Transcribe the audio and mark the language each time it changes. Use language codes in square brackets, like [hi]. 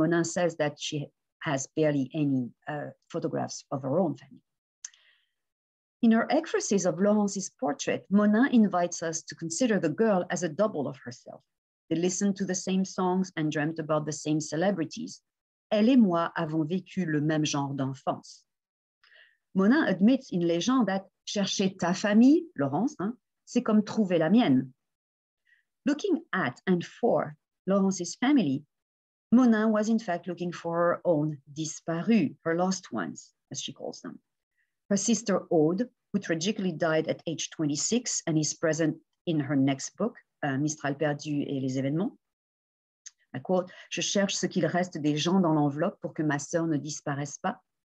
[en] Monin says that she has barely any photographs of her own family. In her ecphrasis of Laurence's portrait, Monin invites us to consider the girl as a double of herself. They listened to the same songs and dreamt about the same celebrities. [fr] Elle et moi avons vécu le même genre d'enfance. [en] Monin admits in Légende that [fr] chercher ta famille, Laurence, hein, c'est comme trouver la mienne. [en] Looking at and for Laurence's family, Monin was in fact looking for her own disparu, her lost ones, as she calls them. Her sister Aude, who tragically died at age 26 and is present in her next book, Mistral perdu et les événements. I quote, [fr] je cherche ce qu'il reste des gens dans l'enveloppe pour que ma sœur ne disparaisse pas.